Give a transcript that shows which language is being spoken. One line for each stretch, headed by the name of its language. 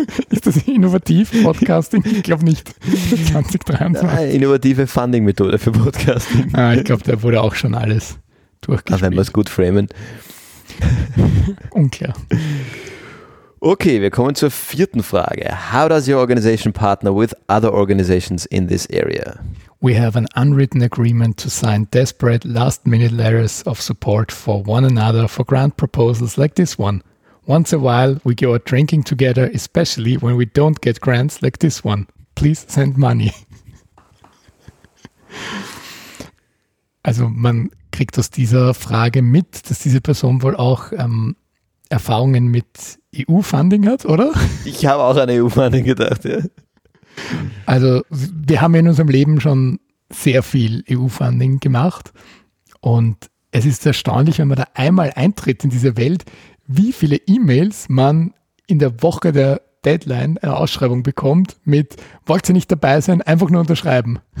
German: Ist das innovativ, Podcasting? Ich glaube nicht. 2023. Ah, innovative Funding-Methode für Podcasting. Ah, ich glaube, da wurde auch schon alles durchgespielt. Wenn wir es gut framen. Unklar. Okay, wir kommen zur vierten Frage.
English: How does your organization partner with other organizations in this area? We have an unwritten agreement to sign desperate last-minute letters of support for one another for grant proposals like this one. Once a while, we go out drinking together, especially when we don't get grants like this one. Please send money.
German: Also man kriegt aus dieser Frage mit, dass diese Person wohl auch Erfahrungen mit EU-Funding hat, oder? Ich habe auch an EU-Funding gedacht, ja. Also wir haben in unserem Leben schon sehr viel EU-Funding gemacht und es ist erstaunlich, wenn man da einmal eintritt in diese Welt, wie viele E-Mails man in der Woche der Deadline eine Ausschreibung bekommt mit, wollt ihr nicht dabei sein, einfach nur unterschreiben.